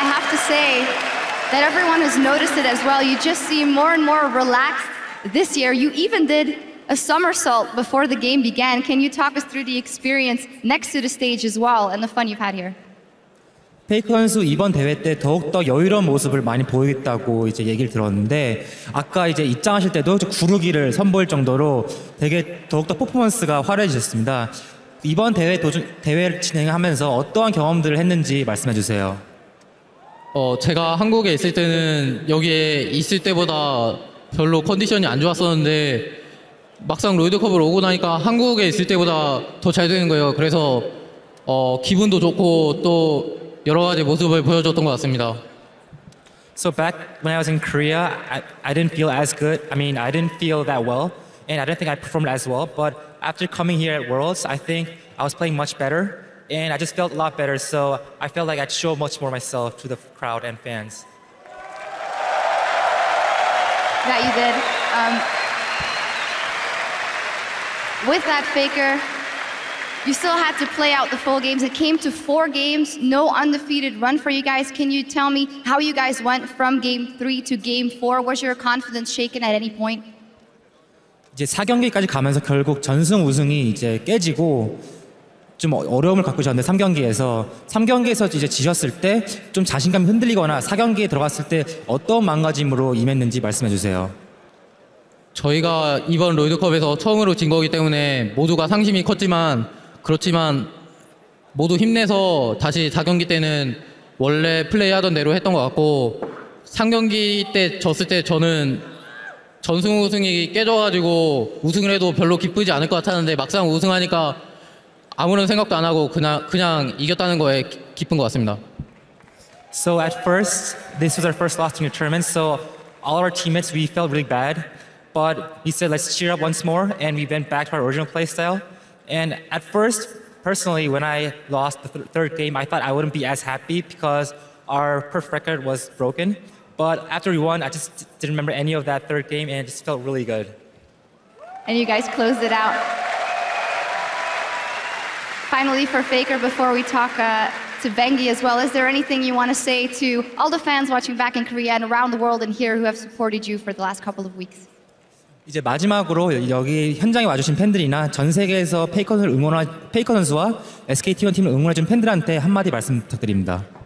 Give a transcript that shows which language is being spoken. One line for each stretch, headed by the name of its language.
English: to say that everyone has noticed it as well. You just seem more and more relaxed this year. You even did a somersault before the game began. Can you talk us through the experience next to the stage as well and the fun you've had here?
Korean: 페이커 선수 이번 대회 때 더욱더 여유로운 모습을 많이 보이겠다고 이제 얘기를 들었는데 아까 이제 입장하실 때도 구르기를 선보일 정도로 되게 더욱더 퍼포먼스가 화려해졌습니다. 이번 대회 도중, 대회를 진행하면서 어떠한 경험들을 했는지 말씀해 주세요. 제가 한국에 있을 때는 여기에 있을 때보다 별로 컨디션이 안 좋았었는데 막상 로이드컵을 오고 나니까 한국에 있을 때보다 더 잘 되는 거예요. 그래서 기분도 좋고 또 여러 가지 모습을 보여줬던 것 같습니다.
English: So back when I was in Korea, I didn't feel as good. I mean, I didn't feel that well, and I don't think I performed as well. But after coming here at Worlds, I think I was playing much better, and I just felt a lot better. So I felt like I'd show much more myself to the crowd and fans. That you did. With that, Faker, you still had to play out the full games. It came to four games, no undefeated run for you guys. Can you tell me how you guys went from game three to game four? Was your confidence shaken at any point?
Korean: 이제 4경기까지 가면서 결국 전승 우승이 이제 깨지고 좀 어려움을 갖고 있었는데 3경기에서 이제 지셨을 때 좀 자신감이 흔들리거나 4경기에 들어갔을 때 어떤 망가짐으로 임했는지 말씀해 주세요. 저희가 이번 롤드컵에서 처음으로 진 거기 때문에 모두가 상심이 컸지만 그렇지만 모두 힘내서 다시 4경기 때는 원래 플레이하던 대로 했던 것 같고 3경기 때 졌을 때 저는 전승 우승이 깨져가지고 우승을 해도 별로 기쁘지 않을 것 같았는데 막상 우승하니까 아무런 생각도 안 하고 그냥 이겼다는 거에 기쁜 것 같습니다.
English: So at first, this was our first loss in the tournament, so all our teammates, we felt really bad. But he said, let's cheer up once more, and we went back to our original play style. And at first, personally, when I lost the third game, I thought I wouldn't be as happy because our perfect record was broken. But after we won, I just didn't remember any of that third game, and it just felt really good. And you guys closed it out. Finally, for Faker, before we talk to Bengi as well, is there anything you want to say to all the fans watching back in Korea and around the world and here who have supported you for the last couple of weeks?
Korean: 이제 마지막으로 여기 현장에 와주신 팬들이나 전 세계에서 페이커 선수와 SKT1 팀을 응원해준 팬들한테 한마디 말씀 부탁드립니다.